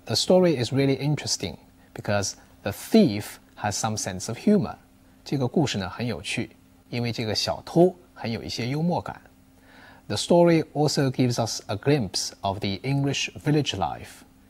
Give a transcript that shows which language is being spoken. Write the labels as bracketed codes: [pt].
[en] the story is really interesting because the thief has some sense of humor. [zh] 这个故事呢很有趣，因为这个小偷很有一些幽默感。 [en] The story also gives us a glimpse of the English village life.